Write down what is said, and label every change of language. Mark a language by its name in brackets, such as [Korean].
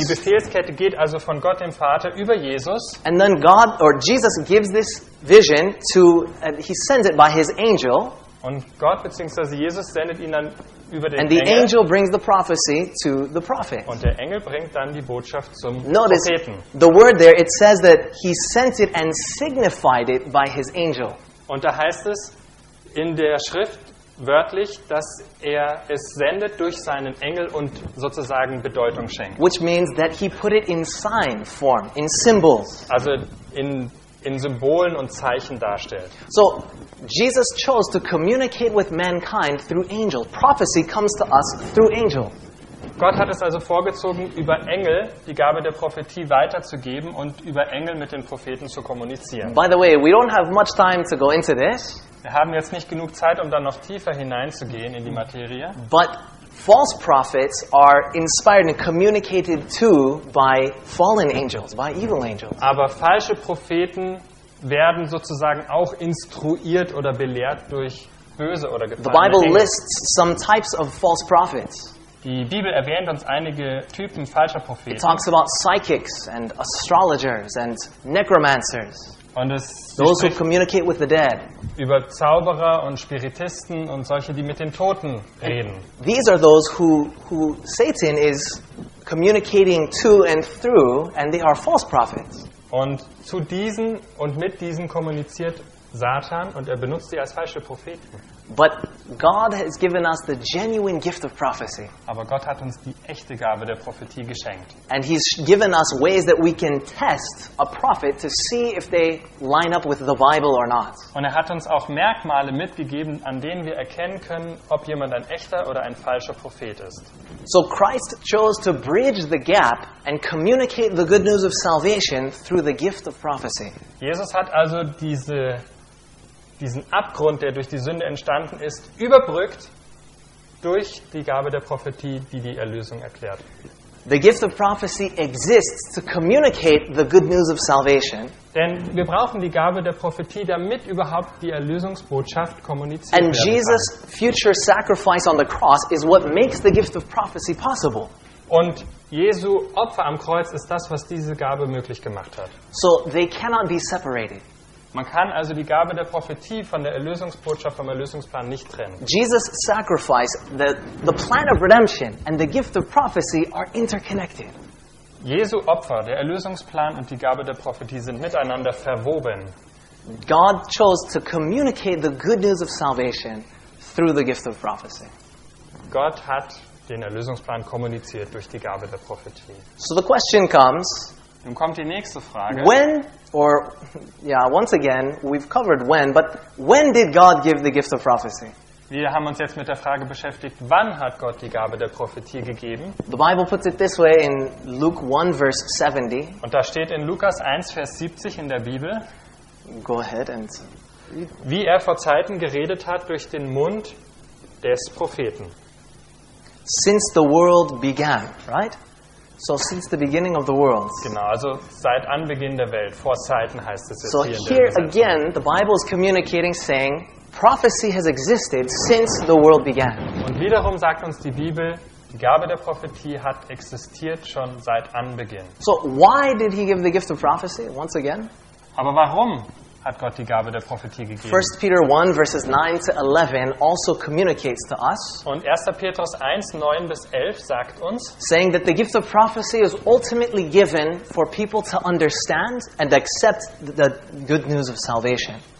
[German] Die Befehlskette geht also von Gott dem Vater über Jesus. [English] And then God or Jesus gives this vision to he sends it by his angel. [German] Und Gott bzw. Jesus sendet ihn dann über den [English] And the [German] Engel. [English] Angel brings the prophecy to the prophet. [German] Und der Engel bringt dann die Botschaft zum [English] Notice, [German] Propheten. [English] The word there it says that he sent it and signified it by his angel. [German] Und da heißt es in der Schrift wörtlich, dass er es sendet durch seinen Engel und sozusagen Bedeutung schenkt. [English] Which means that he put it in sign form, in symbols. [German] Also in Symbolen und Zeichen darstellt. [English] So Jesus chose to communicate with mankind through angels. Prophecy comes to us through angels. [German] Gott hat es also vorgezogen, über Engel die Gabe der Prophetie weiterzugeben und über Engel mit den Propheten zu kommunizieren. [English] By the way, we don't have much time to go into this. [German] Wir haben jetzt nicht genug Zeit, um dann noch tiefer hineinzugehen in die Materie. [English] But false prophets are inspired and communicated to by fallen angels, by evil angels. [German] Aber falsche Propheten werden sozusagen auch instruiert oder belehrt durch böse oder gefallene [English] Engel. The Bible [German] Engel. [English] Lists some types of false prophets. [German] Die Bibel erwähnt uns einige Typen falscher Propheten. [English] It talks about psychics and astrologers and necromancers. [German] Und es [English] those who communicate with the dead. [German] Über Zauberer und Spiritisten und solche, die mit den Toten reden. [English] And these are those who Satan is communicating to and through, and they are false prophets. [German] Und zu diesen und mit diesen kommuniziert Satan und er benutzt sie als falsche Propheten. [English] But God has given us the genuine gift of prophecy. [German] Aber Gott hat uns die echte Gabe der Prophetie geschenkt. [English] And he's given us ways that we can test a prophet to see if they line up with the Bible or not. [German] Und er hat uns auch Merkmale mitgegeben, an denen wir erkennen können, ob jemand ein echter oder ein falscher Prophet ist. [English] So Christ chose to bridge the gap and communicate the good news of salvation through the gift of prophecy. [German] Jesus hat also diesen Abgrund, der durch die Sünde entstanden ist, überbrückt durch die Gabe der Prophetie, die die Erlösung erklärt. [English] The gift of prophecy exists to communicate the good news of salvation. [German] Denn wir brauchen die Gabe der Prophetie, damit überhaupt die Erlösungsbotschaft kommuniziert [English] And [German] werden [English] Jesus [German] kann. [English] Jesus' future sacrifice on the cross is what makes the gift of prophecy possible. [German] Und Jesu Opfer am Kreuz ist das, was diese Gabe möglich gemacht hat. [English] So they cannot be separated. [German] Man kann also die Gabe der Prophetie von der Erlösungsbotschaft vom Erlösungsplan nicht trennen. [English] Jesus sacrifice the plan of redemption and the gift of prophecy are interconnected. [German] Jesu Opfer, der Erlösungsplan und die Gabe der Prophetie sind miteinander verwoben. [English] God chose to communicate the good news of salvation through the gift of prophecy. [German] Gott hat den Erlösungsplan kommuniziert durch die Gabe der Prophetie. [English] So the question comes, [German] nun kommt die nächste Frage. [English] When or yeah, once again, we've covered when, but when did God give the gift of prophecy? [German] Wir haben uns jetzt mit der Frage beschäftigt, wann hat Gott die Gabe der Prophetie gegeben? [English] The Bible puts it this way in Luke 1 verse 70. [German] Und da steht in Lukas 1 Vers 70 in der Bibel. [English] Go ahead and [German] wie er vor Zeiten geredet hat durch den Mund des Propheten. [English] Since the world began, right? So since the beginning of the world. [German] Genau, also seit Anbeginn der Welt, vor Zeiten heißt es jetzt so hier in der [English] here again, the Bible is communicating saying prophecy has existed since the world began. [German] Und wiederum sagt uns die Bibel, die Gabe der Prophetie hat existiert schon seit Anbeginn. [English] So why did he give the gift of prophecy once again? [German] Aber warum hat Gott die Gabe der Prophetie gegeben? [English] 1 Peter 1 verses 9 to 11 also communicates to us. [German] Und 1. Petrus 1 9 bis 11 sagt uns, [English] saying that the gift of prophecy is ultimately given for people to understand and accept the good news of salvation.